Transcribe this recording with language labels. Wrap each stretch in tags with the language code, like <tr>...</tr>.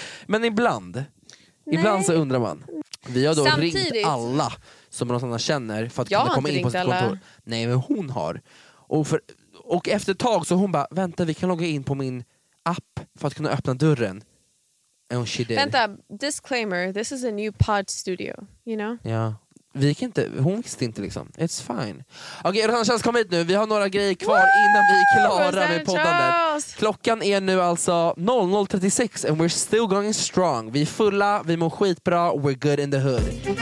<sv>Men ibland. Nej. Ibland så undrar man. Vi har då samtidigt ringt alla som Rosanna känner för att jag kunna komma in på sitt alla kontor. Nej, men hon har. Och efter ett tag så hon bara, vänta, vi kan logga in på min app för att kunna öppna dörren.</sv> <en>And she did.</en> <sv>Vänta, disclaimer.</sv> <en>This is a new pod studio, you know?</en> <sv>Ja. Vi kan inte, hon visste inte liksom.</sv> <en>It's fine.</en> <sv>Okej, Rosanna Charles, kom hit nu. Vi har några grejer kvar innan vi är klara med poddandet. Klockan är nu alltså 00:36</sv> <en>and we're still going strong.</en> <sv>Vi är fulla, vi mår skitbra,</sv> <en>we're good in the hood.</en>